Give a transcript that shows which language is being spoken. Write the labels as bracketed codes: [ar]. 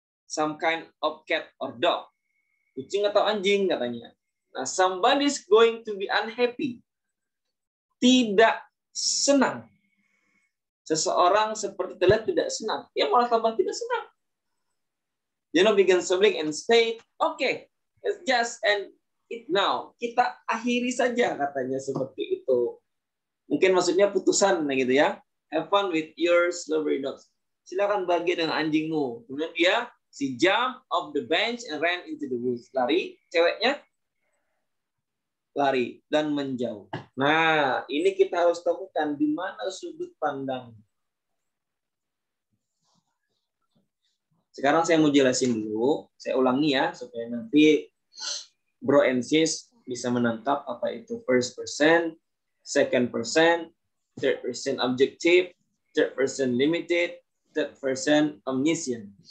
[en] Some kind of cat or dog. [id] Kucing atau anjing katanya. [en] Nah, somebody's going to be unhappy. [id] Tidak senang. Seseorang seperti terlihat tidak senang. Ya malah tambah tidak senang. [en] You know, begin sembling and say, okay, let's just end it now. [id] Kita akhiri saja katanya seperti itu. Mungkin maksudnya putusan gitu ya. [en] Have fun with your slobbery dogs. [id] Silakan bahagia dengan anjingmu. Kemudian dia, [en] she jumped off the bench and ran into the woods. [id] Lari, ceweknya lari dan menjauh. Nah, ini kita harus temukan di mana sudut pandang. Sekarang saya mau jelasin dulu. Saya ulangi ya, supaya nanti bro and sis bisa menangkap apa itu first person, second person, third person objective, third person limited, third person omniscient.